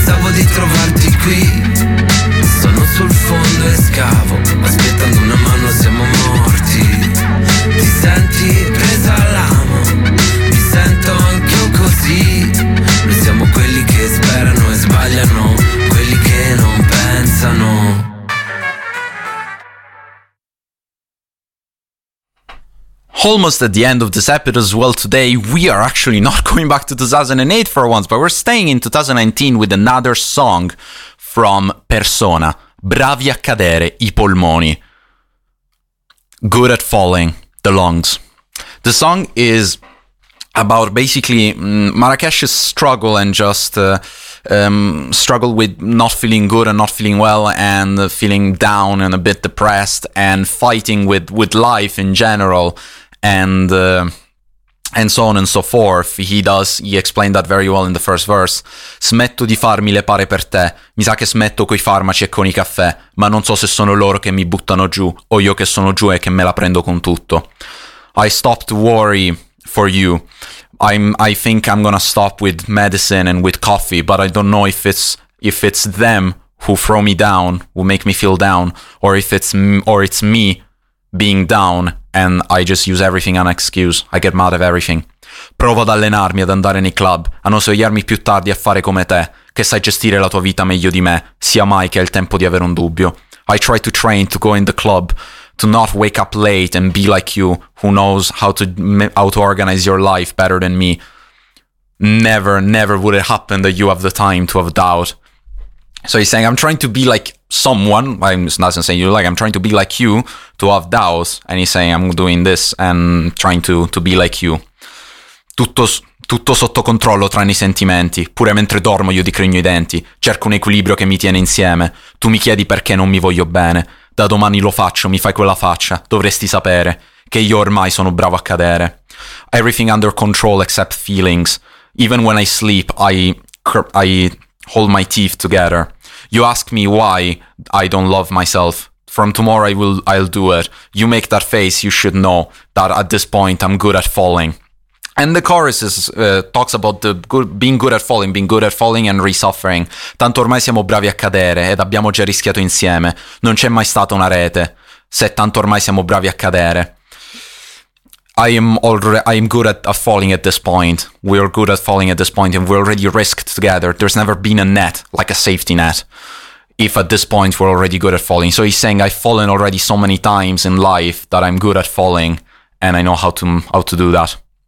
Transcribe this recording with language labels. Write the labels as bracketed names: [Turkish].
[Italian] Di trovarti qui, sono sul fondo e scavo, aspettando una mano siamo morti, ti senti presa all'amo, mi sento anch'io così, noi siamo quelli che sperano e sbagliano, quelli che non pensano. [English] Almost at the end of this episode as well today, we are actually not going back to 2008 for once, but we're staying in 2019 with another song from Persona. [Italian] Bravi a cadere i polmoni. [English] Good at falling, the lungs. The song is about basically Marrakesh's struggle and just struggle with not feeling good and not feeling well and feeling down and a bit depressed and fighting with life in general. And so on and so forth. He explained that very well in the first verse. [Italian] Smetto di farmi le pare per te. Mi sa che smetto coi farmaci e con i caffè. Ma non so se sono loro che mi buttano giù o io che sono giù e che me la prendo con tutto. [English] I stopped worry for you. I think I'm gonna stop with medicine and with coffee, but I don't know if it's them who throw me down, who make me feel down, or it's me being down and I just use everything as an excuse. I get mad at everything. [Italian] Provo ad allenarmi, ad andare nei club, a non svegliarmi più tardi a fare come te, che sai gestire la tua vita meglio di me, sia mai che hai il tempo di avere un dubbio. [English] I try to train to go in the club, to not wake up late and be like you, who knows how to organize your life better than me. Never, never would it happen that you have the time to have doubt. So he's saying, I'm trying to be like someone, I'm not saying you like, I'm trying to be like you, to have doubts. And he's saying, I'm doing this and trying to be like you. [Italian] Tutto sotto controllo tranne i sentimenti, pure mentre dormo io digrigno i denti, cerco un equilibrio che mi tiene insieme, tu mi chiedi perché non mi voglio bene, da domani lo faccio, mi fai quella faccia, dovresti sapere che io ormai sono bravo a cadere. [English] Everything under control except feelings, even when I sleep I hold my teeth together. You ask me why I don't love myself. From tomorrow I'll do it. You make that face, you should know that at this point I'm good at falling. And the chorus talks about the being good at falling and resuffering. [Italian] Tanto ormai siamo bravi a cadere ed abbiamo già rischiato insieme. Non c'è mai stata una rete, se tanto ormai siamo bravi a cadere. [English] I am good at falling at this point. We are good at falling at this point and we already risked together. There's never been a net, like a safety net, if at this point we're already good at falling. So he's saying, I've fallen already so many times in life that I'm good at falling and I know how to do that.